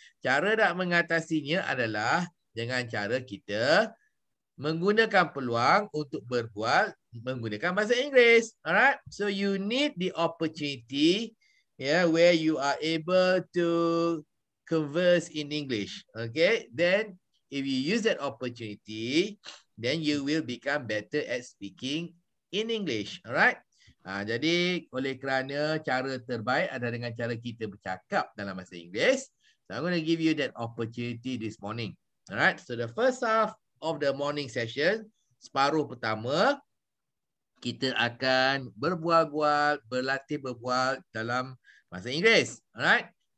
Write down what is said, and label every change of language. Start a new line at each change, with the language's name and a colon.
Malay: Cara nak mengatasinya adalah dengan cara kita menggunakan peluang untuk berbual menggunakan bahasa Inggeris.
English: Alright? So you need the opportunity, yeah, where you are able to converse in English. Okay? Then if you use that opportunity, then you will become better at speaking in English. Alright?
Malay: Jadi oleh kerana cara terbaik adalah dengan cara kita bercakap dalam bahasa Inggeris.
English: So I'm going to give you that opportunity this morning. Alright? So the first half of the morning session,
Malay: separuh pertama, kita akan berbual-bual, berlatih berbual dalam bahasa Inggeris.
English: Alright?